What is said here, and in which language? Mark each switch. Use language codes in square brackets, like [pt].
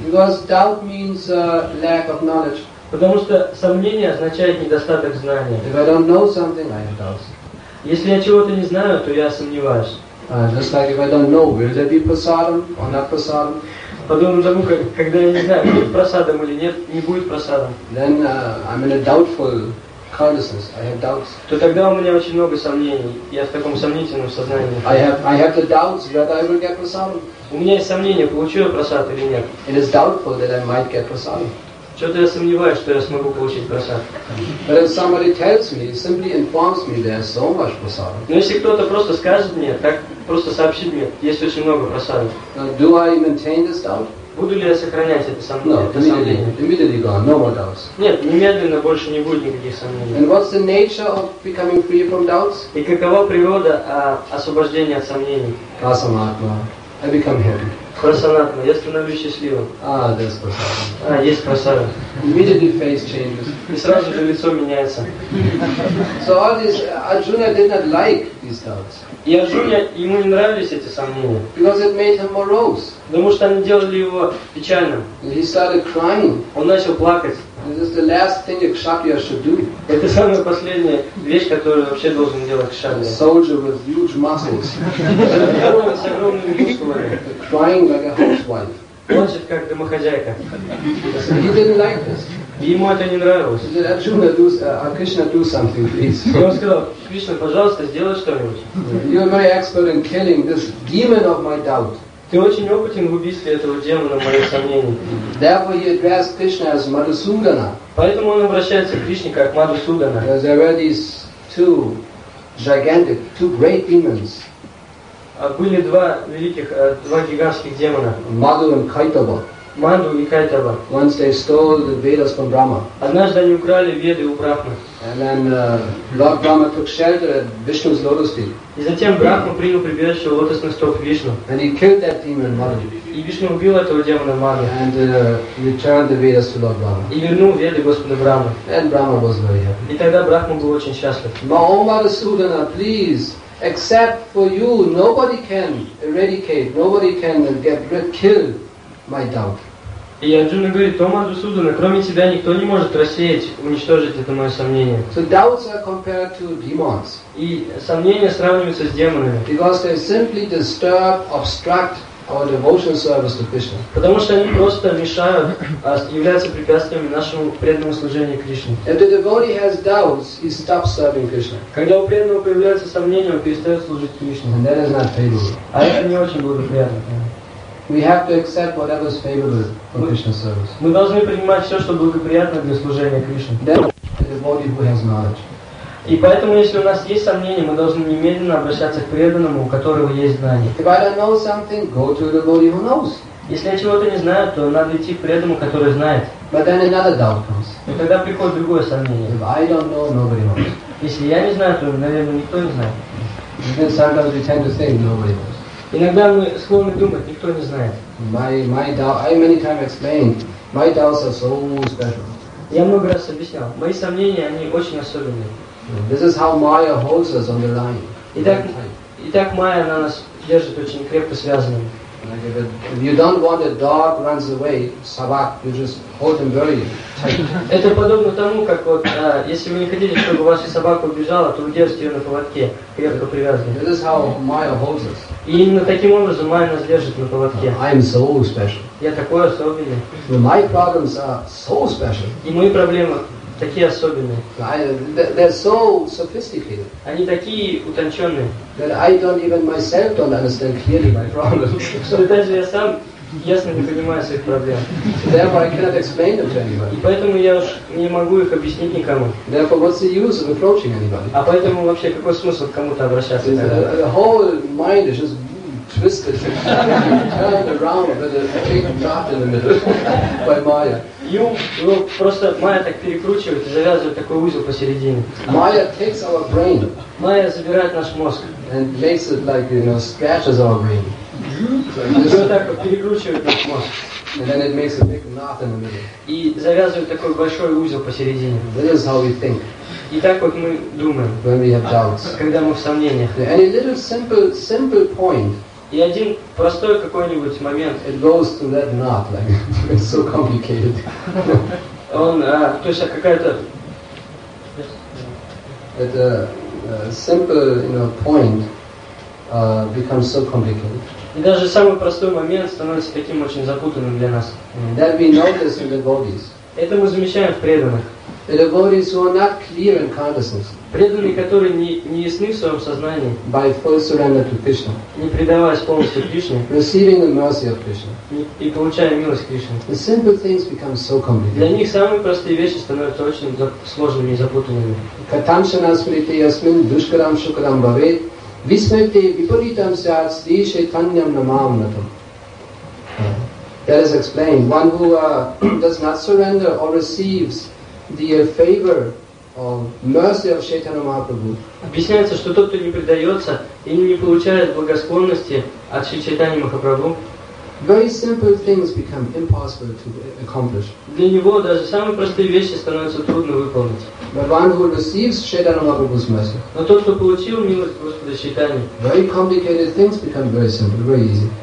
[en] Because doubt means lack of knowledge. [ru] Потому что сомнение означает недостаток знания. [en] If I don't know something, I have doubts. [ru] Если я чего-то не знаю, то я сомневаюсь. [en] Just like if I don't know, will there be prasadam or not prasadam? [ru] Подобно тому, когда я не знаю, будет прасадом или нет, не будет прасадом. [en] Then I'm in a doubtful consciousness. I have doubts. [ru] То тогда у меня очень много сомнений. Я в таком сомнительном сознании. [en] I have the doubts that I will get prasadam. [ru] У меня есть сомнения, получу я прасад или нет. [en] It is doubtful that I might get prasadam. [ru] Что-то я сомневаюсь, что я смогу получить прасад. [en] But if somebody tells me, simply informs me, there's so much prasadam. [ru] Но если кто-то просто скажет мне, так просто сообщит мне, есть очень много прасадов. [en] Do I maintain this doubt? [ru] Буду ли я сохранять это сомнение? [en] No, immediately gone, no more doubts. [ru] Нет, немедленно больше не будет никаких сомнений. [en] And what's the nature of becoming free from doubts? [ru] И какова природа освобождения от сомнений? [en] Prasamatma, I become happy. [ru] Прасанатма, я становлюсь счастливым. [en] There's prasadam. [ru] Есть прасада. [en] Immediately face changes. [ru] И сразу же лицо меняется. [en] So all this, Arjuna did not like these doubts. [ru] И Арджуне, ему не нравились эти сомнения. [en] Because it made him morose. [ru] Потому что они делали его печальным. [en] He started crying. [ru] Он начал плакать. [en] This is the last thing a kshatriya should do. [ru] Это самая последняя вещь, которую вообще должен делать кшатрия. [en] Soldier with huge muscles. [ru] С огромными мускулами. [en] Crying like a housewife. [ru] Плачет как домохозяйка. [en] He didn't like this. [ru] И ему это не нравилось. [en] He said, Arjuna, Krishna, do something, please. [ru] И он сказал, Кришна, пожалуйста, сделай что-нибудь. [en] You are very expert in killing this demon of my doubt. [ru] Ты очень опытен в убийстве этого демона, мои сомнения. Поэтому он обращается к Кришне как Мадхусудана. [en] Because there were these two gigantic, two great demons. [ru] Были два великих, два гигантских демона. [en] Madhu and Kaitava. [ru] Madhu и Kaitava. [en] Once they stole the Vedas from Brahma. [ru] Однажды они украли Веды у Брахмы. [en] And then Lord Brahma took shelter at Vishnu's lotus feet. [ru] И затем Брахма принял прибежище у лотосных стоп Вишну. [en] And he killed that demon Madhu. [ru] И Вишну убил этого демона Madhu. [en] And returned the Vedas to Lord Brahma. [ru] И вернул Веды Господу Брахме. [en] And Brahma was very happy. [ru] И тогда Брахма был очень счастлив. [en] Mahom Madhusudana, please. Except for you, nobody can eradicate, nobody can get rid, kill my doubt. [ru] И Арджуна говорит, о Мадхусудана, кроме тебя никто не может рассеять, уничтожить это мое сомнение. [en] So doubts are compared to demons. [ru] И сомнения сравниваются с демонами. [en] Because they simply disturb, obstruct our devotional service to Krishna. [ru] Потому что они просто мешают, являются препятствиями нашему преданному служению Кришне. [en] If the devotee has doubts, he stops serving Krishna. [ru] Когда у преданного появляются сомнения, он перестает служить Кришне. [en] And that is not favorable. [ru] А это не очень благоприятно. [en] We have to accept whatever is favorable for Krishna service. [ru] Мы должны принимать все, что благоприятно для служения Кришне. [en] Then the devotee who has knowledge. [ru] И поэтому, если у нас есть сомнения, мы должны немедленно обращаться к преданному, у которого есть знание. [en] If I don't know something, go to the body who knows. [ru] Если я чего-то не знаю, то надо идти к преданному, который знает. [en] But then another doubt comes. [ru] И тогда приходит другое сомнение. [en] If I don't know, nobody knows. [ru] Если я не знаю, то, наверное, никто не знает. [en] Then sometimes we tend to say, nobody knows. [ru] Иногда мы склонны думать, никто не знает. [en] My doubt, I many times explain, my doubts are so special. [ru] Я много раз объяснял, мои сомнения, они очень особенные. [en] This is how Maya holds us on the line. [ru] Итак, Maya на нас держит очень крепко связанными. [en] If you don't want a dog runs away, [ru] собак, [en] you just hold him very tight. [ru] Это подобно тому, как вот, если вы не хотите, чтобы ваша собака убежала, то вы держите ее на поводке, крепко привязанной. [en] This is how Maya holds us. [ru] И именно таким образом Maya нас держит на поводке. [en] I am so special. [ru] Я такой особенный. [en] Well, my problems are so special. [ru] И мои проблемы такие особенные. [en] They're so sophisticated. [ru] Они такие утонченные. [en] That I don't even myself don't understand clearly my problems. [ru] Что даже я сам ясно не понимаю своих проблем. [en] Therefore I cannot explain them to anybody. [ru] И поэтому я уж не могу их объяснить никому. [en] Therefore what's the use of approaching anybody? [ru] А поэтому вообще какой смысл к кому-то обращаться? [en] The whole mind is just twisted, turned around with a big knot in the middle by Maya. [ru] Просто Майя так перекручивает и завязывает такой узел посередине. [en] Maya takes our brain. [ru] Майя забирает наш мозг. [en] And makes it like, you know, scratches our brain. [ru] Вот так вот перекручивает наш мозг. [en] And then it makes a big knot in the middle. [ru] И завязывает такой большой узел посередине. [en] That is how we think. [ru] И так вот мы думаем. [en] When we have doubts. [ru] Когда мы в сомнениях. [en] And a little simple point. [ru] И один простой какой-нибудь момент. [en] It goes to that knot, like it's so complicated. [ru] Он, то есть какая-то. [en] It's a simple, you know, point becomes so complicated. [ru] И даже самый простой момент становится таким очень запутанным для нас. [en] That we notice in the devotees. [ru] Это мы замечаем в преданных. [en] The devotees who are not clear in consciousness. [ru] Преданные, которые не ясны в своем сознании, [en] by full surrender to Krishna, [ru] не предаваясь полностью Кришне, [en] receiving the mercy of Krishna, [ru] и получая милость Кришны, [en] the simple things become so complicated. [ru] Для них самые простые вещи становятся очень сложными и запутанными. [sa] Катамшана смрите ясмин душкарам шукарам бавет висмете випаритам сяат сри шайтаньям намаамнатам. [en] That is explained. One who does not surrender or receives the favor mercy of Shaitanya Mahaprabhu. [ru] Объясняется, что тот, кто не предается и не получает благосклонности от Шри Чайтаньи Махапрабху, [en] very simple things become impossible to accomplish. [ru] Для него даже самые простые вещи становятся трудно выполнить. [en] But one who receives Shaitanya Mahaprabhu's mercy. [ru] Но тот, кто получил милость Господа Шайтани, [en] very complicated things become very simple, very easy.